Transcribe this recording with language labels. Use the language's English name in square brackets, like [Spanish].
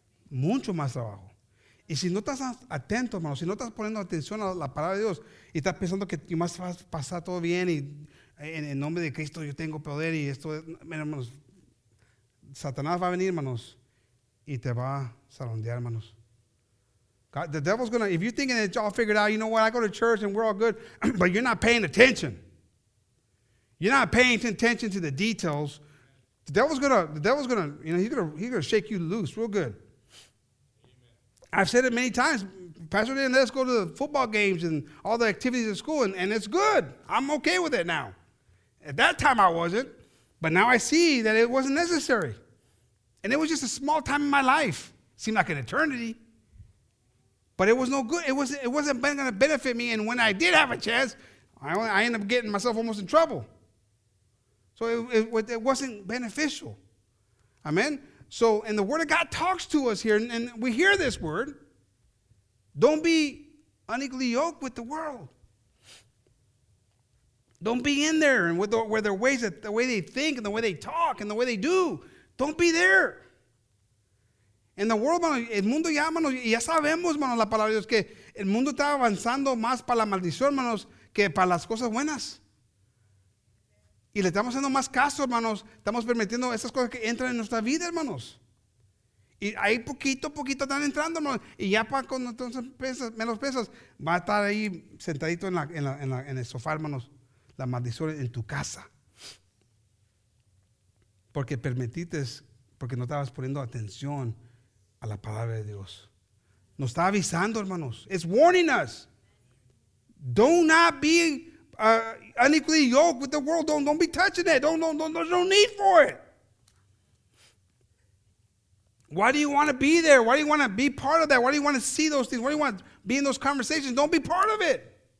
[Spanish] Mucho más trabajo. Y si no estás atento, hermano, si no estás poniendo atención a la palabra de Dios y estás pensando que más vas a pasar todo bien y en el nombre de Cristo yo tengo poder y esto, hermanos, Satanás va a venir, hermanos, y te va a zarandear, hermanos. [English] God, the devil's going to, if you're thinking that it's all figured out, you know what, I go to church and we're all good, but you're not paying attention. You're not paying attention to the details. The devil's going to, you know, he's going to shake you loose real good. I've said it many times. Pastor didn't let us go to the football games and all the activities at school, and it's good. I'm okay with it now. At that time, I wasn't. But now I see that it wasn't necessary. And it was just a small time in my life. Seemed like an eternity. But it was no good. It wasn't going to benefit me. And when I did have a chance, I end up getting myself almost in trouble. So it wasn't beneficial. Amen? So, and the Word of God talks to us here, and we hear this word. Don't be unequally yoked with the world. Don't be in there and where their ways, the way they think and the way they talk and the way they do. Don't be there. And the world, [Spanish] el mundo ya, hermanos, ya sabemos, hermanos, la palabra de Dios, que el mundo está avanzando más para la maldición, hermanos, que para las cosas buenas. Y le estamos haciendo más caso, hermanos. Estamos permitiendo esas cosas que entran en nuestra vida, hermanos. Y ahí poquito a poquito están entrando, hermanos. Y ya para cuando entonces pesas, menos pesas, va a estar ahí sentadito en el sofá, hermanos. La maldición en tu casa. Porque permitiste, porque no estabas poniendo atención a la palabra de Dios. Nos está avisando, hermanos. [English] It's warning us. Do not be unequally yoked with the world. Don't be touching it. Don't there's no need for it. Why do you want to be there? Why do you want to be part of that? Why do you want to see those things? Why do you want to be in those conversations? Don't be part of it.